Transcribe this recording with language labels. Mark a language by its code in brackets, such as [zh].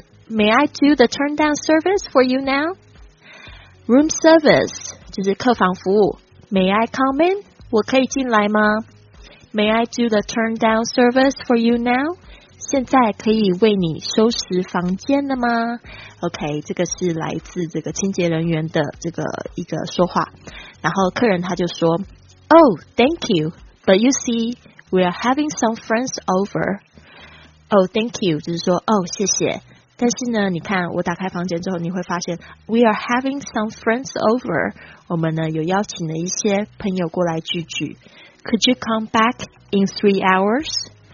[en] May I do the turn down service for you now? Room service [zh] 就是客房服务。 [en] May I come in? [zh] 我可以进来吗？ [en] May I do the turn down service for you now? [zh] 现在可以为你收拾房间了吗？ OK, 这个是来自这个清洁人员的这个一个说话。然后客人他就说 [en] Oh, thank you, but you see, we are having some friends over. Oh, thank you, [zh] 就是说哦、oh, 谢谢。但是呢你看我打开房间之后你会发现 [en] We are having some friends over [zh] 我们呢有邀请了一些朋友过来聚聚 [en] Could you come back in 3 hours?